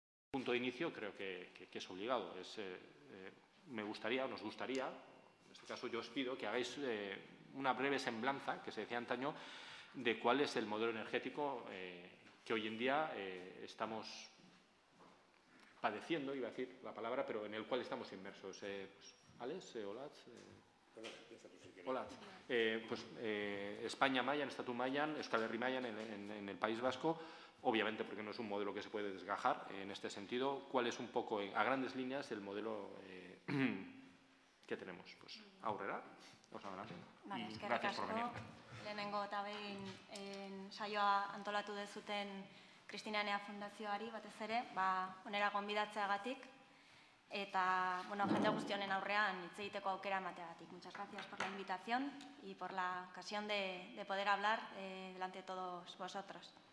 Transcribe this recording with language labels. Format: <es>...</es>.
<es>punto de inicio creo que es obligado. Me gustaría, o nos gustaría, en este caso yo os pido, que hagáis una breve semblanza, que se decía antaño, de cuál es el modelo energético que hoy en día estamos padeciendo, iba a decir la palabra, pero en el cual estamos inmersos. ¿Alex? ¿Olatz? Olatz. España Mayan,</es> <eu>Estatu Mayan, Euskal Herri Mayan</eu> <es>en el País Vasco, obviamente porque no es un modelo que se puede desgajar en este sentido. ¿Cuál es un poco, a grandes líneas, el modelo que tenemos? Pues, aurrera, os adelante. Gracias por venir.</es> <eu>Lehenengo eta behin saioa antolatu dezuten Cristina Enea Fundazioari, batez ere, onera gonbidatzeagatik eta, jende guztionen aurrean hitz egiteko aukera emateagatik.</eu> <es>Muchas gracias por la invitación y por la ocasión de poder hablar delante de todos vosotros.</es>